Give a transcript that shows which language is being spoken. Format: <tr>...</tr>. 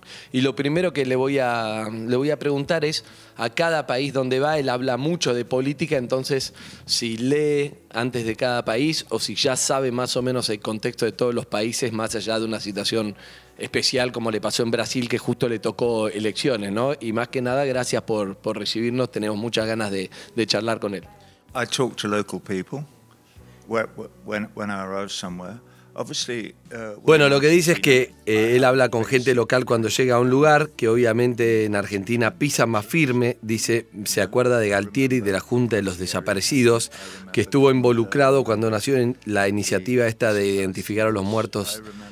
<es>Y lo primero que le voy a preguntar es, a cada país donde va, él habla mucho de política, entonces si lee antes de cada país o si ya sabe más o menos el contexto de todos los países, más allá de una situación especial como le pasó en Brasil, que justo le tocó elecciones, ¿no? Y más que nada, gracias por recibirnos, tenemos muchas ganas de charlar con él.</es> <en>I talk to local people when I arrive somewhere.</en> <es>Bueno, lo que dice es que él habla con gente local cuando llega a un lugar, que obviamente en Argentina pisa más firme, dice, se acuerda de Galtieri, de la Junta de los Desaparecidos, que estuvo involucrado cuando nació en la iniciativa esta de identificar a los muertos</es>